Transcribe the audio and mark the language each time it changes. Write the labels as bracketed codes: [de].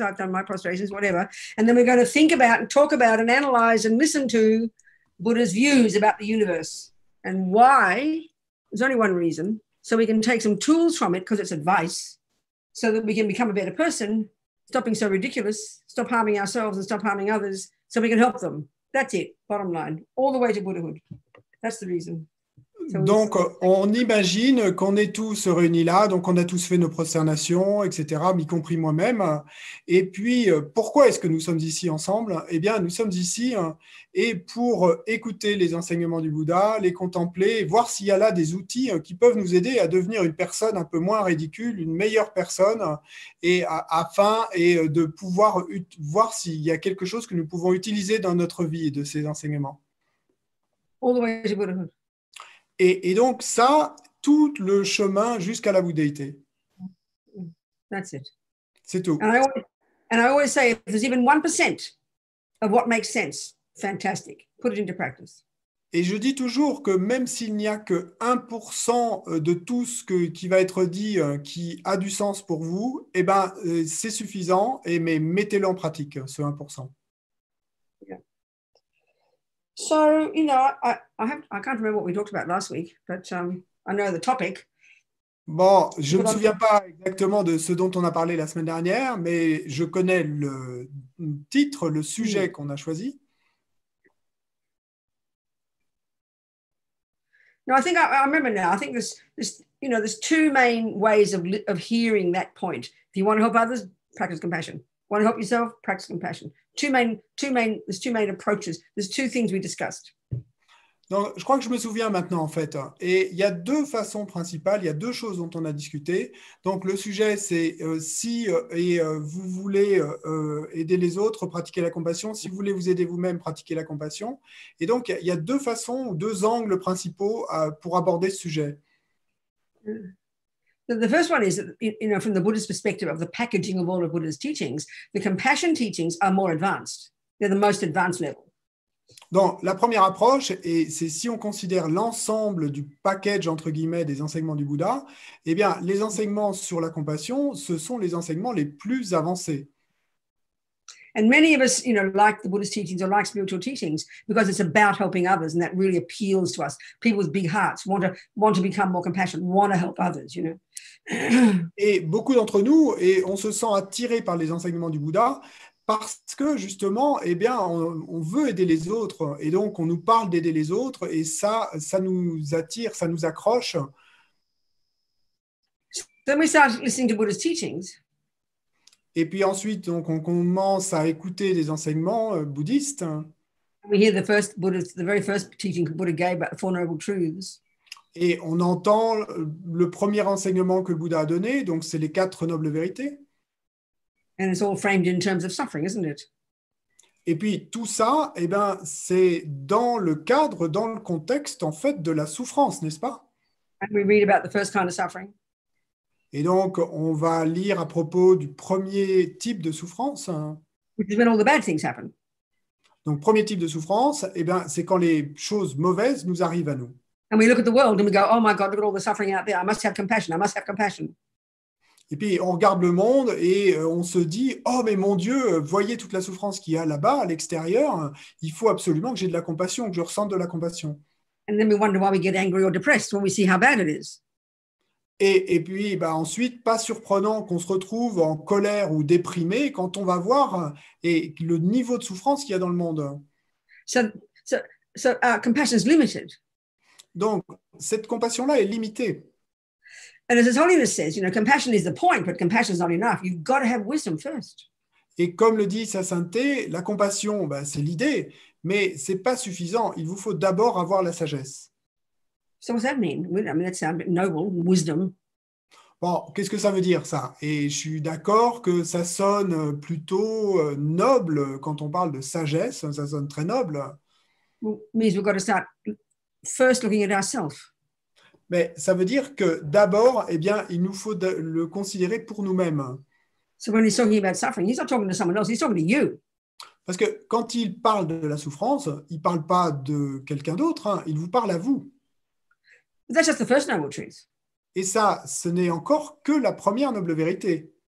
[en] I've done my prostrations, whatever. And then we're going to think about and talk about and analyze and listen to Buddha's views about the universe and why. There's only one reason. So we can take some tools from it because it's advice so that we can become a better person, stop being so ridiculous, stop harming ourselves and stop harming others so we can help them. That's it, bottom line, all the way to Buddhahood. That's the reason. So [fr] Donc, on imagine qu'on est tous réunis là, donc on a tous fait nos prosternations, etc., y compris moi-même. Et puis, pourquoi est-ce que nous sommes ici ensemble? Eh bien, nous sommes ici et pour écouter les enseignements du Bouddha, les contempler, voir s'il y a là des outils qui peuvent nous aider à devenir une personne un peu moins ridicule, une meilleure personne, et afin et de pouvoir voir s'il y a quelque chose que nous pouvons utiliser dans notre vie et de ces enseignements. [en] all the way to Buddhahood. [fr] Et donc ça, tout le chemin jusqu'à la bouddhéité. [en] That's it. [fr] C'est [en] And [fr] tout. [en] I always say, if there's even 1% of what makes sense, fantastic. Put it into practice. [fr] Et je dis toujours que même s'il n'y a que 1% de tout ce qui va être dit qui a du sens pour vous, eh ben, c'est suffisant, mais mettez-le en pratique, ce 1%. [en] So, I can't remember what we talked about last week, but I know the topic. [fr] Bon, je ne me [en] Because [fr] souviens pas exactement de ce dont on a parlé la semaine dernière, mais je connais le titre, le sujet qu'on a choisi. [en] No, I think I remember now. I think there's two main ways of hearing that point. If you want to help others, practice compassion. Want to help yourself? Practice compassion. There's two main approaches. There's two things we discussed. [fr] Donc, je crois que je me souviens maintenant, en fait. Et il y a deux façons principales, il y a deux choses dont on a discuté. Donc, le sujet, c'est si vous voulez aider les autres, pratiquez la compassion. Si vous voulez vous aider vous-même, pratiquez la compassion. Et donc, il y a deux façons ou deux angles principaux pour aborder ce sujet. [en] The first one is, from the Buddhist perspective of the packaging of all of Buddha's teachings, the compassion teachings are more advanced. They're the most advanced level. [fr] Donc, la première approche, et c'est si on considère l'ensemble du package, entre guillemets, des enseignements du Bouddha, eh bien, les enseignements sur la compassion, ce sont les enseignements les plus avancés. [en] Many of us, like the Buddhist teachings or like spiritual teachings because it's about helping others, and that really appeals to us. People with big hearts want to become more compassionate, want to help others, [fr] Et beaucoup d'entre nous, et on se sent attiré par les enseignements du Bouddha, parce que justement, eh bien, on veut aider les autres, et donc on nous parle d'aider les autres, et ça nous attire, ça nous accroche. [en] So then we start listening to Buddha's teachings. [fr] Et puis ensuite, donc, on commence à écouter des enseignements bouddhistes. [en] We hear the first Buddha's, the very first teaching Buddha gave about the Four Noble Truths. [fr] Et on entend le premier enseignement que Bouddha a donné, donc c'est les quatre nobles vérités. [en] And it's all framed in terms of suffering, isn't it? [fr] Et puis tout ça, eh ben, c'est dans le cadre, dans le contexte en fait de la souffrance, n'est-ce pas? [en] And we read about the first kind of suffering. [fr] Et donc on va lire à propos du premier type de souffrance. [en] Which is when all the bad things happen. [fr] Donc premier type de souffrance, eh ben, c'est quand les choses mauvaises nous arrivent à nous. [en] And we look at the world and we go, oh my God, look at all the suffering out there. I must have compassion. I must have compassion. [fr] Et puis, on regarde le monde et on se dit, oh, mais mon Dieu, voyez toute la souffrance qu'il y a là-bas, à l'extérieur. Il faut absolument que j'aie de la compassion, que je ressente de la compassion. [en] And then we wonder why we get angry or depressed when we see how bad it is. [fr] Et puis, bah, ensuite, pas surprenant qu'on se retrouve en colère ou déprimé quand on va voir et le niveau de souffrance qu'il y a dans le monde. [en] So, compassion is limited. [fr] Donc, cette compassion-là est limitée. [en] And as His Holiness says, compassion is the point, but compassion is not enough. You've got to have wisdom first. [fr] Et comme le dit Sa Sainteté, la compassion, ben, c'est l'idée, mais ce n'est pas suffisant. Il vous faut d'abord avoir la sagesse. [en] So what's that mean? I mean, that sounds a bit noble, wisdom. [fr] Bon, qu'est-ce que ça veut dire, ça? Et je suis d'accord que ça sonne plutôt noble quand on parle de sagesse. Ça sonne très noble. [en] Well, means we've got to start first looking at ourselves. [fr] Mais ça veut dire que d'abord, eh bien, il nous faut le considérer pour nous-mêmes. [en] So when he's talking about suffering, he's not talking to someone else, he's talking to you. [fr] Parce que quand il parle de la souffrance, il ne parle pas de quelqu'un d'autre, hein, il vous parle à vous. [en] That's just the first noble truth. [fr] Et ça, ce n'est encore que la première noble vérité.